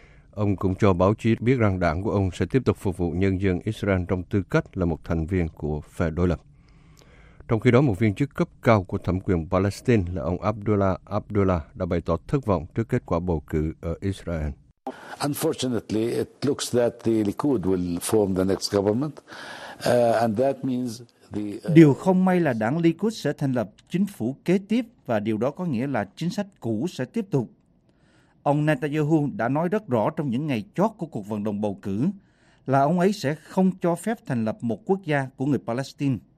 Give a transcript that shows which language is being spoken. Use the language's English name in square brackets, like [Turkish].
[Vietnamese] Ông cũng cho báo chí biết rằng đảng của ông sẽ tiếp tục phục vụ nhân dân Israel trong tư cách là một thành viên của phe đối lập. Trong khi đó, một viên chức cấp cao của thẩm quyền Palestine là ông Abdullah Abdullah đã bày tỏ thất vọng trước kết quả bầu cử ở Israel. [English] Unfortunately, it looks that the Likud will form the next government, and that means the. [Vietnamese] Điều không may là đảng Likud sẽ thành lập chính phủ kế tiếp và điều đó có nghĩa là chính sách cũ sẽ tiếp tục. Ông Netanyahu đã nói rất rõ trong những ngày chót của cuộc vận động bầu cử là ông ấy sẽ không cho phép thành lập một quốc gia của người Palestine.